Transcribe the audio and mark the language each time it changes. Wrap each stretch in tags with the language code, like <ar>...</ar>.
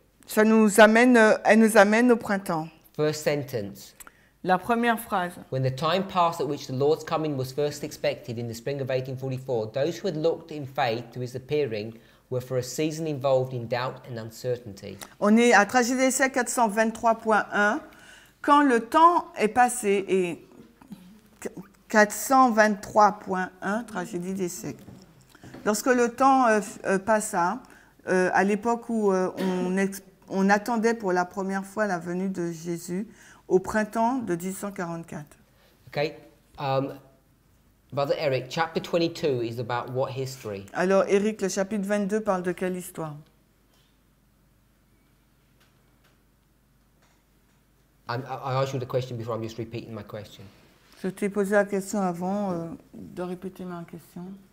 <fr>Ça nous amène, elle nous amène au printemps.</fr> <en>First sentence.</en> <fr>La première phrase.</fr> <en>When the time passed at which the Lord's coming was first expected in the spring of 1844, those who had looked in faith to his appearing were for a season involved in doubt and uncertainty.</en> <fr>On est à Tragédie d'Essai 423.1. Quand le temps est passé et... 423.1, Tragédie d'Essai. Lorsque le temps passa, à l'époque où on attendait pour la première fois la venue de Jésus, au printemps de 1844.</fr> <en>Okay. Brother Eric, chapter 22 is about what history?</en> <fr>Alors, Eric, le chapitre 22 parle de quelle histoire?</fr> <en>I asked you the question before, I'm just repeating my question.</en> <fr>Je t'ai posé la question avant de répéter ma question.</fr>